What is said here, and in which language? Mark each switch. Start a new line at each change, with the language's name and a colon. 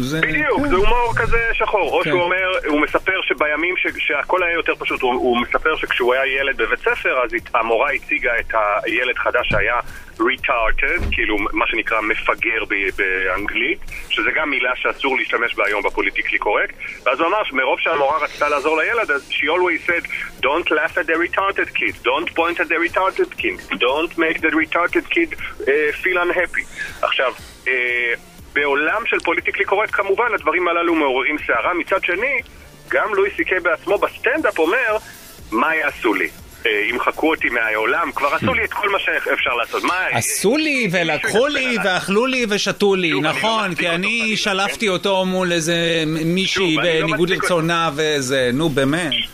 Hebrew: בדיוק, זה הומור כזה שחור. או שהוא אומר, הוא מספר שבימים שהכל היה יותר פשוט, הוא מספר שכשהוא היה ילד בבית ספר, אז המורה הציגה את הילד חדש שהיה retarded, כאילו מה שנקרא מפגר באנגלית, שזה גם מילה שאסור להשתמש בה היום בפוליטיקלי קורקט. ואז ממש, מרוב שהמורה רצתה לעזור לילד, אז
English: she always said, don't laugh at the retarded kid, don't point at the retarded kid, don't make the retarded kid feel unhappy.
Hebrew: עכשיו, בעולם של פוליטיקלי קורקט, כמובן, הדברים הללו מעוררים שערה. מצד שני, גם לואי סי-קיי בעצמו בסטנדאפ אומר, מה יעשו לי? אם חכו אותי מהעולם, כבר עשו לי את כל מה שאפשר לעשות. מה? עשו לי ולקחו לי ואכלו לי ושתו לי, נכון, כי אני שלפתי אותו מול איזה מישהי בניגוד לרצונה ואיזה, נו באמת.